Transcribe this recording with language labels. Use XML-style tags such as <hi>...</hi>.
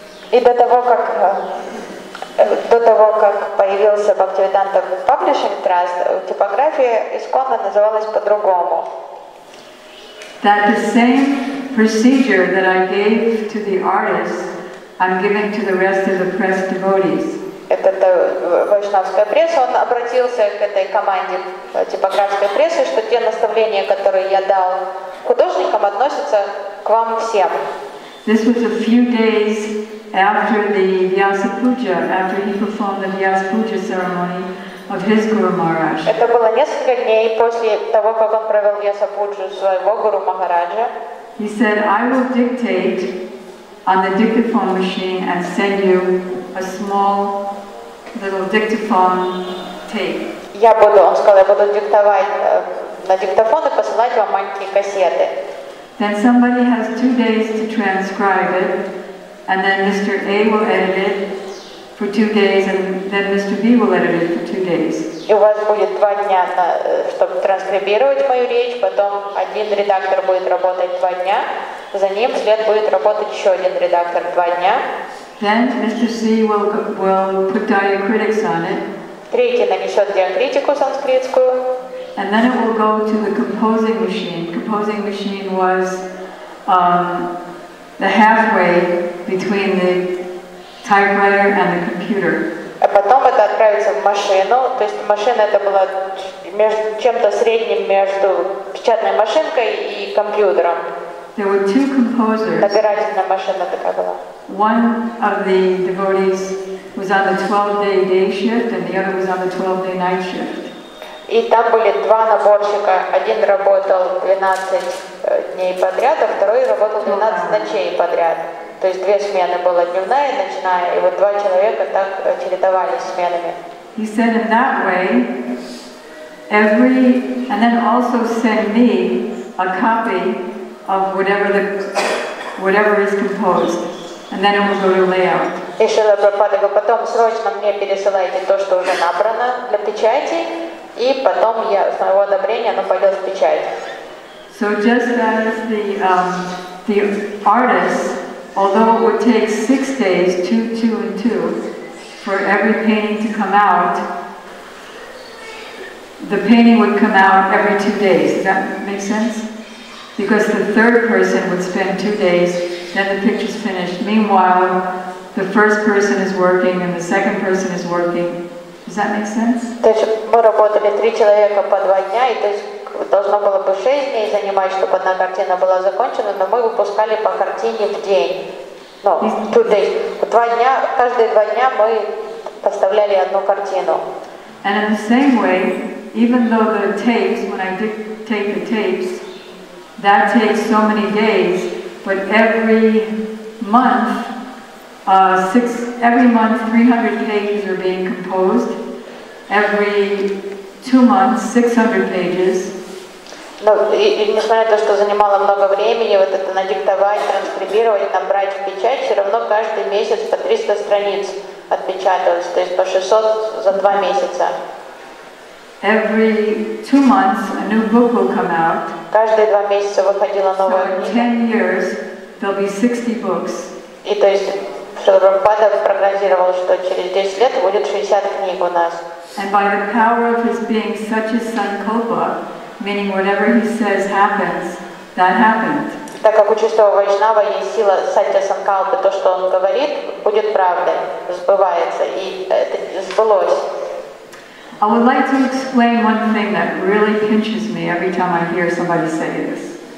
<ru>И до того, как появился Bhaktivedanta Publishing Trust, типография ISKCON называлась по-другому.</ru> <en>That the same procedure that I gave to the artists, I'm giving to the rest of the press devotees.</en> <ru>Это Вайшнавская пресса, он обратился к этой команде типографской прессы, что те наставления, которые я дал художникам, относятся к вам всем.</ru> <en>This was a few days after the Vyasa Puja, after he performed the Vyasa Puja ceremony of his Guru Maharaj.</en> <ru>Это было несколько дней после того, как он провел Вьяса Пуджу своего Гуру Махараджа.</ru> <en>He said, I will dictate on the dictaphone machine and send you a small little dictaphone tape.</en> <ru>Я буду, он сказал, я буду диктовать на диктофон и посылать вам маленькие кассеты.</ru> <en>Then somebody has 2 days to transcribe it, and then Mr. A will edit it for 2 days, and then Mr. B will edit it for 2 days.</en> <ru>И у вас будет 2 дня, чтобы транскрибировать мою речь, потом один редактор будет работать 2 дня, за ним вслед будет работать еще один редактор 2 дня.</ru> <en>Then Mr. C will put diacritics on it.</en> <ru>Третий нанесет диакритику санскритскую.</ru> <en>And then it will go to the composing machine. Composing machine was the halfway between the typewriter and the computer.</en> <ru>А потом это отправится в машину. То есть машина это была между, чем-то средним между печатной машинкой и компьютером.</ru> <en>There were two composers.</en> <ru>Набирательная машина такая была.</ru> <en>One of the devotees was on the 12-day day shift, and the other was on the 12-day night shift.</en> <ru>И там были два наборщика. Один работал 12 дней подряд, а второй работал 12 ночей подряд. То есть две смены было, дневная и ночная, и вот два человека так чередовались сменами.</ru> <en>He said in that way, and then also sent me a copy of whatever is composed, and then it will go to layout.</en> <ru>И Шрила Прабхупада говорит, потом срочно мне пересылайте то, что уже набрано для печати, и потом я с моего одобрения оно пойдет в печать.</ru> <en>So just as the artist, although it would take 6 days, two and two, for every painting to come out, the painting would come out every 2 days. Does that make sense? Because the third person would spend 2 days, then the picture's finished. Meanwhile, the first person is working and the second person is working. Does that make sense?</en> <ru>То есть мы работали три человека по два дня, и то есть должно было бы 6 дней занимать, чтобы одна картина была закончена, но мы выпускали по картине в день.</ru> <en>Ну, two days.</en> <ru>Каждые два дня мы поставляли одну картину.</ru> <en>And in the same way, even though the tapes, when I did take the tapes, that takes so many days, but every month, every month 300 pages are being composed. Every 2 months 600 pages.</en> <ru>Но несмотря на то, что занимало много времени, вот это надиктовать, транскрибировать, набрать в печать, все равно каждый месяц по 300 страниц отпечатывалось, то есть по 600 за 2 месяца.</ru> <en>Every 2 months a new book will come out.</en> <ru>Каждые 2 месяца выходила новая книга.</ru> <en>So in 10 years there'll be 60 books.</en> <ru>И то есть Шрила Прабхупада прогнозировал, что через 10 лет будет 60 книг у нас.</ru> <en>And by the power of his being such a sankalpa, meaning whatever he says happens, that happened.</en> <ru>Так как у чистого вайшнава есть сила сатья санкалпы, то, что он говорит, будет правдой, сбывается, и это сбылось.</ru> <en>I would like to explain one thing that really pinches me every time I hear somebody say this.</en>